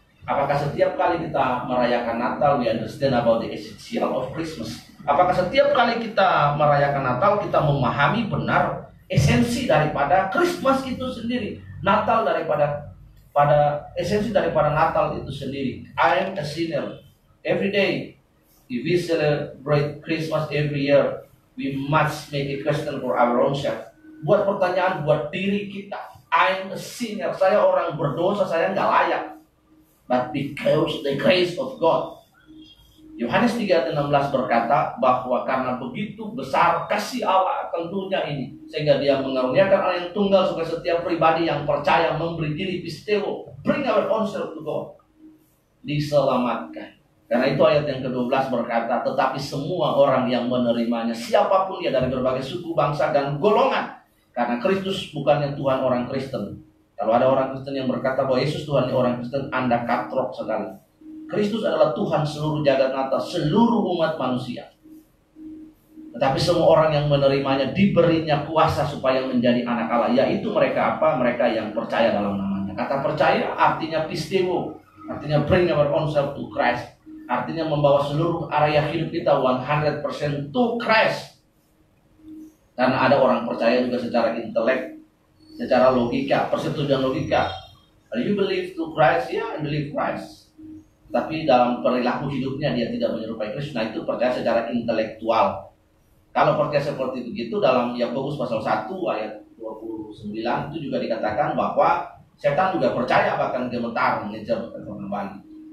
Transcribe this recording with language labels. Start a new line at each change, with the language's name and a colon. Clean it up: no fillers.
Indonesian: Apakah setiap kali kita merayakan Natal,
English: we understand about the essential of Christmas?
Indonesian: Apakah setiap kali kita merayakan Natal, kita memahami benar esensi daripada Christmas itu sendiri, Natal daripada pada esensi daripada Natal itu sendiri.
English: I am a sinner. Every day, if we celebrate Christmas every year, we must make a question for our own self.
Indonesian: Buat pertanyaan buat diri kita.
English: I am a sinner.
Indonesian: Saya orang berdosa. Saya nggak layak.
English: But because the grace of God.
Indonesian: Yohanes 3:16 berkata bahwa karena begitu besar kasih Allah tentunya ini sehingga Dia mengaruniakan Anak yang tunggal supaya setiap pribadi yang percaya memberi diri pistewo
English: bring our own self to God
Indonesian: diselamatkan. Karena itu ayat yang ke-12 berkata tetapi semua orang yang menerimanya siapapun dia dari berbagai suku bangsa dan golongan karena Kristus bukannya Tuhan orang Kristen. Kalau ada orang Kristen yang berkata bahwa Yesus Tuhan orang Kristen, Anda katrok sekali. Kristus adalah Tuhan seluruh jagat Natal, seluruh umat manusia. Tetapi semua orang yang menerimanya diberinya kuasa supaya menjadi anak Allah. Yaitu mereka apa? Mereka yang percaya dalam namanya. Kata percaya artinya pistewo. Artinya
English: bring our own self to Christ.
Indonesian: Artinya membawa seluruh area hidup kita 100%
English: to Christ.
Indonesian: Dan ada orang percaya juga secara intelek, secara logika, persetujuan logika.
English: Are you believe to Christ? Yeah, I believe Christ.
Indonesian: Tapi dalam perilaku hidupnya dia tidak menyerupai Kristus. Nah itu percaya secara intelektual. Kalau percaya seperti begitu dalam Yakobus pasal 1 ayat 29 itu juga dikatakan bahwa setan juga percaya bahkan gemetar mengejar kembali.